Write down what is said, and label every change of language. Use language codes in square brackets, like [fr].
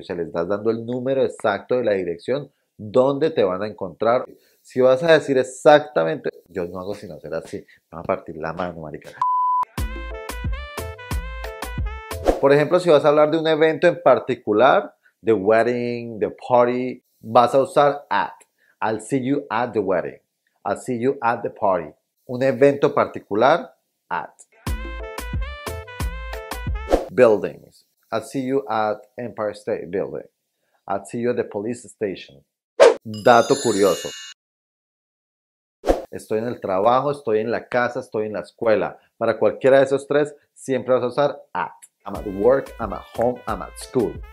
[es] O sea, le estás dando el número exacto de la dirección donde te van a encontrar. Si vas a decir exactamente, yo no hago sino hacer así, me van a partir la mano, marica. Por ejemplo, si vas a hablar de un evento en particular, [en] the wedding, the party, [es] vas a usar at. [en] I'll see you at the wedding. I'll see you at the party. Un evento particular, at. Buildings. I'll see you at Empire State Building. I'll see you at the police station. [es] Dato curioso. Estoy en el trabajo, estoy en la casa, estoy en la escuela. Para cualquiera de esos tres, siempre vas a usar at. [en] I'm at work, I'm at home, I'm at school.